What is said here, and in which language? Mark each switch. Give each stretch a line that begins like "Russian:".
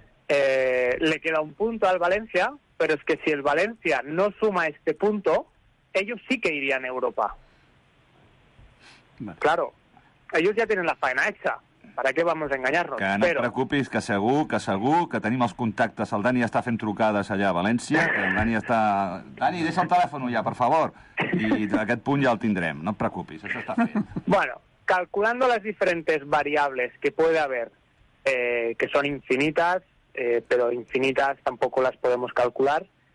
Spanish: Le queda un punto al València. Pero es que si el Valencia no suma este punto, ellos sí que irían a Europa. Vale. Claro, ellos ya tienen la faena hecha. ¿Para qué vamos a engañarnos?
Catalan: Que no et preocupis, que segur que tenim els contactes. El Dani està fent trucades allà a València. El Dani està... Dani, deixa el telèfon ja, per favor. I aquest punt ja el tindrem. No et preocupis, això està fet.
Spanish: Bueno, calculando las diferentes variables que puede haber, que son infinitas, pero infinitas tampoco las podemos calcular.